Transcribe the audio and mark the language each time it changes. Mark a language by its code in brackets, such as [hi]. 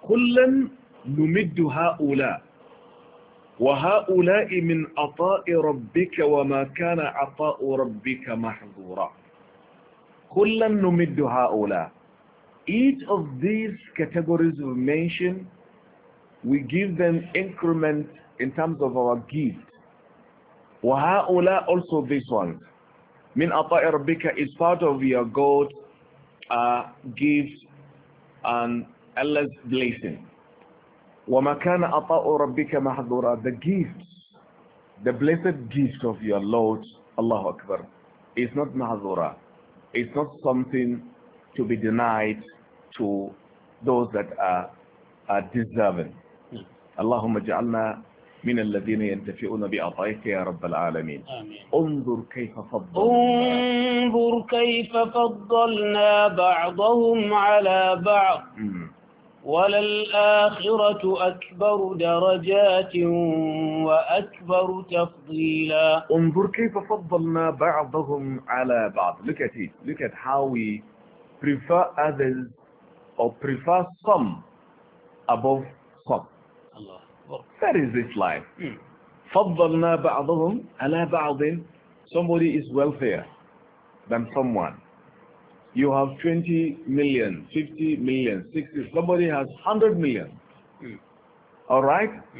[ar] كلا نمد هؤلاء وهؤلاء من عطاء ربك وما كان عطاء ربك محظورا. كلا نمد هؤلاء. [en] Each of these categories we mention, we give them increment in terms of our gift. وهؤلاء also this one. [ar] من عطاء ربك [en] is part of your God gift and Allah's blessing. [ar] وما كان عطاء ربك محظورا. [en] The gifts, the blessed gift of your Lord, Allahu Akbar, is not محظورا. It's not something to be denied to those that are deserving. [ar] اللهم اجعلنا من الذين ينتفعون بعطائك يا رب العالمين. انظر كيف فضلنا. انظر كيف فضلنا بعضهم على بعض. وللآخرة أكبر درجات وأكبر تفضيلا. انظر كيف فضلنا بعضهم على بعض. [en] Look at it. Look at how we prefer others or prefer some above some. [ar] الله. [en] That is this life. [ar] فضلنا بعضهم على بعض. [en] Somebody is wealthier than someone. You have 20 million, 50 million, 60, somebody has 100 million. All right?